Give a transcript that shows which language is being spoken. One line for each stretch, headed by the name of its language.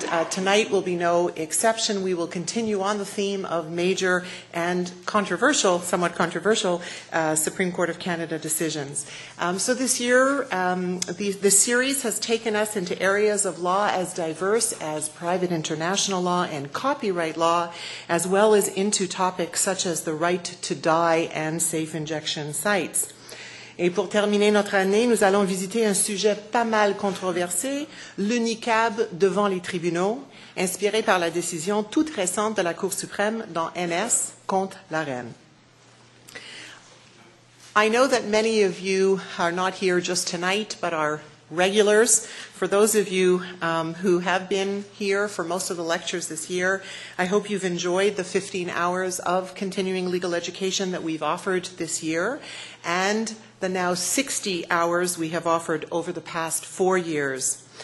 English: Tonight will be no exception. We will continue on the theme of major and controversial, somewhat controversial, Supreme Court of Canada decisions. So this year, this series has taken us into areas of law as diverse as private international law and copyright law, as well as into topics such as the right to die and safe injection sites.
French: Et pour terminer notre année, nous allons visiter un sujet pas mal controversé, l'UNICAB devant les tribunaux, inspiré par la décision toute récente de la Cour suprême dans MS contre la Reine.
English: I know that many of you are not here just tonight, but are regulars. For those of you who have been here for most of the lectures this year, I hope you've enjoyed the 15 hours of continuing legal education that we've offered this year, and the now 60 hours we have offered over the past 4 years.